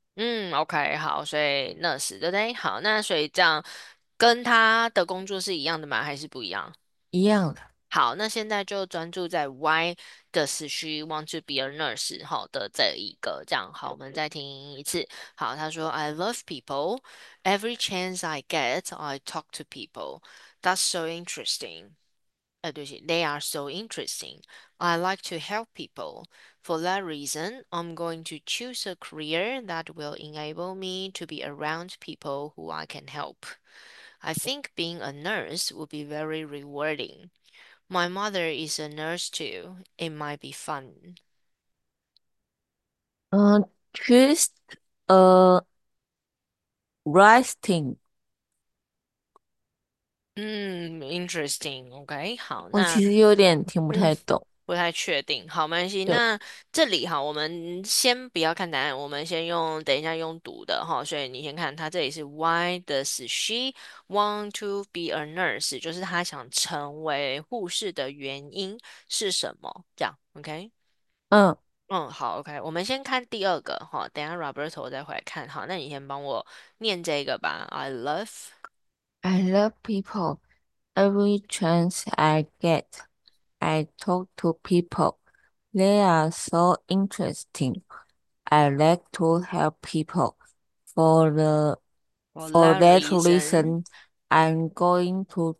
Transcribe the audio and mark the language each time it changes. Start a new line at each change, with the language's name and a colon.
Chinese: 嗯，OK，好，所以 nurse 对不对？好，那所以这样跟他的工作是一样的吗？还是不一样？一样的。好，那现在就专注在
English: why does she want to be a nurse
Chinese: 好的这一个，这样好，我们再听一次。好，他说
English: I love people. Every chance I get, I talk to people. That's so interesting.
Chinese: 对不起，
English: they are so interesting. I like to help people. For that reason, I'm going to choose a career that will enable me to be around people who I can help. I think being a nurse would be very rewarding. My mother is a nurse too. It might be fun. Choose a writing. Interesting. OK，好，
Chinese: 我那其实有点听不太懂。不太确定。好，没关系。那这里哈，我们先不要看答案，我们先用等一下用读的哈。所以你先看，它这里是
English: Why does she want to be a nurse？
Chinese: 就是她想成为护士的原因是什么？这样，OK？ 好，OK。我们先看第二个哈，等一下 Roberto 再回来看。好，那你先帮我念这个吧。
English: I love。 I love people. Every chance I get, I talk to people. They are so interesting. I like to help people. For For that that reason, reason, I'm going to